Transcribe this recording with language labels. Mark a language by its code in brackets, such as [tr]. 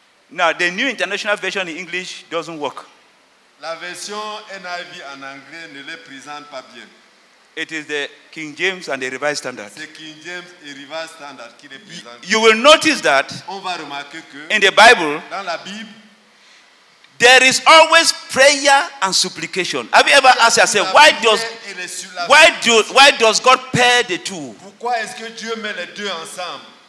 [en] Now the New International Version in English doesn't work. [fr] La version NIV en anglais ne les présente pas bien. [en] It is the King James and the Revised Standard. [fr] C'est King James et Revised Standard qui les présente. [en] You will notice that. [fr] On va remarquer que. [en] In the Bible. [fr] Dans la Bible. [en] There is always prayer and supplication. Have you ever asked yourself, why does God pair the two? [fr] Pourquoi est-ce que Dieu met les deux ensemble?